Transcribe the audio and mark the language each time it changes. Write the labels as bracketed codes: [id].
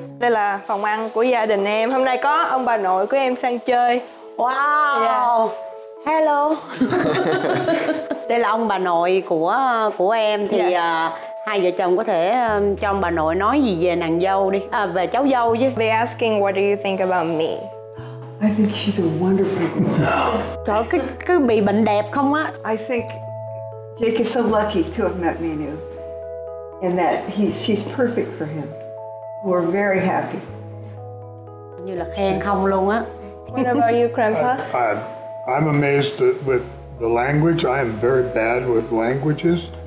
[vi] Đây là phòng ăn của gia đình em. Hôm nay có ông bà nội của em sang chơi. Wow. Dạ. Hello. Đây là ông bà nội của em thì hai vợ chồng có thể cho ông bà nội nói gì về nàng dâu đi. Về cháu dâu chứ. [en] They asking what do you think about me? I think she's a wonderful girl. [vi] Trời ơi, cứ bị bệnh đẹp không á. [en] I think Jake is so lucky to have met Minu. And that she's perfect for him. We're very happy. [vi] Như là khen không luôn á. [en] What about you, Grandpa? I'm amazed with the language. I am very bad with languages.